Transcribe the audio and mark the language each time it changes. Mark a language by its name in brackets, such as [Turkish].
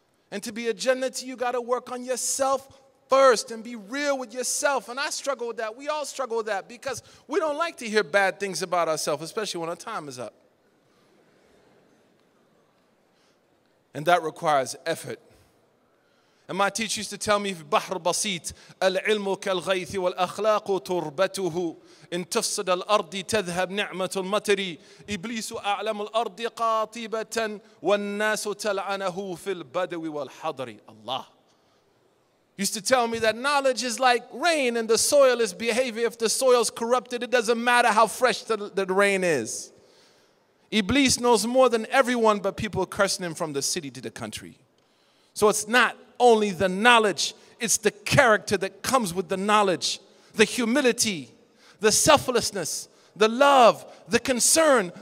[English] And to be a Jannati, you got to work on yourself first and be real with yourself. And I struggle with that. We all struggle with that because we don't like to hear bad things about ourselves, especially when our time is up. And that requires effort. [Arabic] And my teacher used to tell me, بحر بسيط العلم كالغيث والأخلاق تربته إن تفسد الأرض تذهب نعمة المطر إبليس أعلم الأرض قاطبة والناس تلعنه في البدو والحضر. [English] Allah used to tell me that knowledge is like rain and the soil is behavior. If the soil is corrupted, it doesn't matter how fresh the rain is. Iblis knows more than everyone, but people are cursing him from the city to the country. So it's not only the knowledge, it's the character that comes with the knowledge, the humility, the selflessness, the love, the concern.